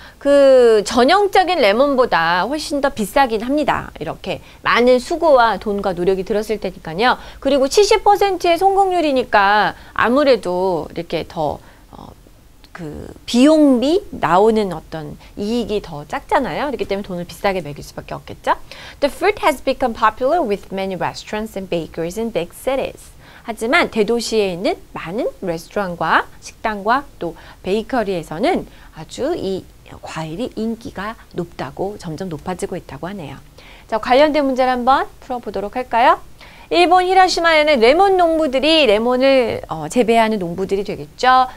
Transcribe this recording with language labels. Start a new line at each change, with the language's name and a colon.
Korean: 그 전형적인 레몬보다 훨씬 더 비싸긴 합니다. 이렇게 많은 수고와 돈과 노력이 들었을 테니까요. 그리고 70%의 성공률이니까 아무래도 이렇게 더 그 비용비 나오는 어떤 이익이 더 작잖아요. 그렇기 때문에 돈을 비싸게 매길 수밖에 없겠죠.
English: The fruit has become popular with many restaurants and bakers in big cities.
Korean: 하지만 대도시에 있는 많은 레스토랑과 식당과 또 베이커리에서는 아주 이 과일이 인기가 높다고 점점 높아지고 있다고 하네요. 자, 관련된 문제를 한번 풀어보도록 할까요? 일본 히로시마현은 레몬 농부들이 레몬을 재배하는 농부들이 되겠죠.